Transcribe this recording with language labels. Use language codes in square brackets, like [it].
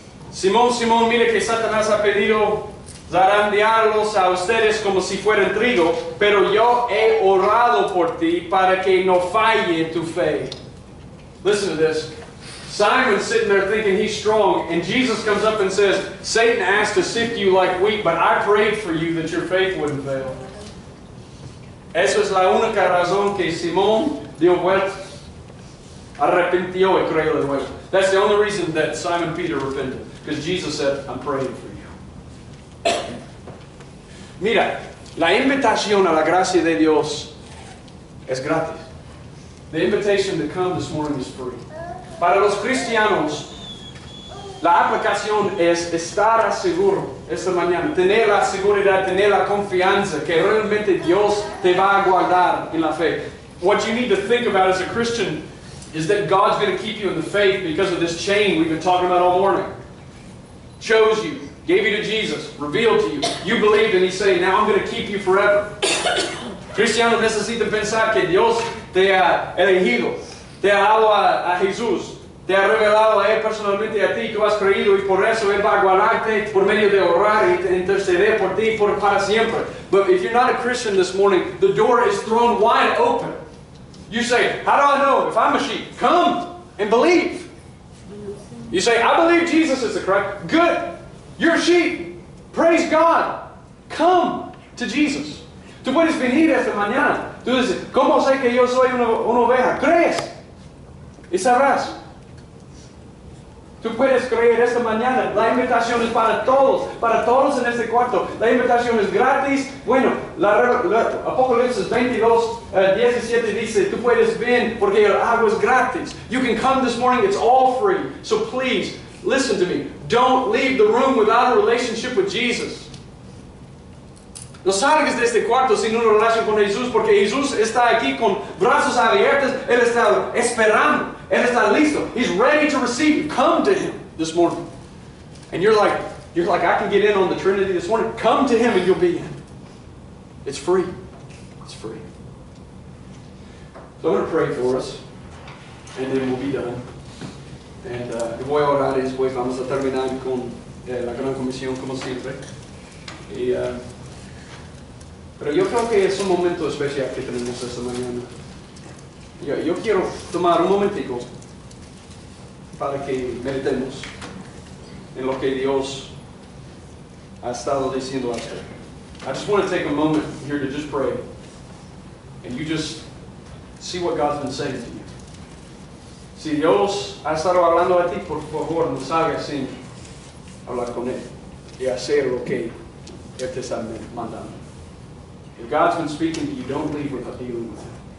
[es] Simón, Simón, mire que Satanás ha pedido zarandearlos a ustedes como si fueran trigo, pero yo he orado por ti para que no falle tu fe. [en] Listen to this. Simon's sitting there thinking he's strong, and Jesus comes up and says, Satan asked to sift you like wheat, but I prayed for you that your faith wouldn't fail. [es] Eso es la única razón que Simón dio vueltas. Arrepintió y creyó de nuevo. [en] That's the only reason that Simon Peter repented, because Jesus said, I'm praying for you. [es] Mira, la invitación a la gracia de Dios es gratis. [en] The invitation to come this morning is free. [es] Para los cristianos, la aplicación es estar seguro esta mañana, tener la seguridad, tener la confianza que realmente Dios te va a guardar en la fe. [en] What you need to think about as a Christian is that God's going to keep you in the faith because of this chain we've been talking about all morning. Chose you, gave you to Jesus, revealed to you. You believed and He's saying, now I'm going to keep you forever. [es] Cristianos necesitan pensar que Dios te ha elegido. Te ha dado a Jesús, te ha revelado a Él personalmente a ti, tú has creído y por eso Él va a guardarte por medio de orar y interceder por ti por para siempre. [en] But if you're not a Christian this morning, the door is thrown wide open. You say, how do I know if I'm a sheep? Come and believe. You say, I believe Jesus is the Christ. Good. You're a sheep. Praise God. Come to Jesus. [es] Tú puedes venir esta mañana. Tú dices, ¿cómo sé que yo soy una oveja? ¿Crees? Y sabrás, tú puedes creer esta mañana, la invitación es para todos en este cuarto. La invitación es gratis. Bueno, la Apocalipsis 22, 17 dice, tú puedes venir porque el agua es gratis. [en] You can come this morning, it's all free. So please, listen to me. Don't leave the room without a relationship with Jesus. [es] No salgas de este cuarto sin una relación con Jesús, porque Jesús está aquí con brazos abiertos. Él está esperando. Él está listo. [en] He's ready to receive you. Come to Him this morning. And you're like, I can get in on the Trinity this morning. Come to Him and you'll be in. It's free. It's free. So I'm going to pray for us. And then we'll be done. And [es] voy a orar y después vamos a terminar con la gran comisión como siempre. Pero yo creo que es un momento especial que tenemos esta mañana. Yo quiero tomar un momentico para que meditemos en lo que Dios ha estado diciendo a usted. [en] I just want to take a moment here to just pray. And you just see what God's been saying to you. [es] Si Dios ha estado hablando a ti, por favor, no salgas sin hablar con Él y hacer lo que Él te está mandando. [en] If God's been speaking to you, don't leave without dealing with Him.